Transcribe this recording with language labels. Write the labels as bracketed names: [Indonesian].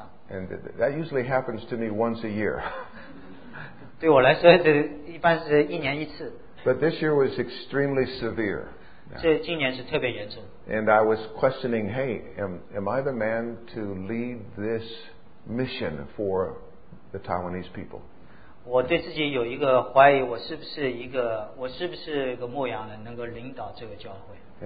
[English] And that usually happens to me once a year. [Chinese] 对我来说,一般是一年一次。 [English] But this year was extremely severe. Yeah. And I was questioning, hey, am I the man to lead this mission for the Taiwanese people? [Chinese] 我对自己有一个怀疑,我是不是一个牧羊人能够领导这个教会?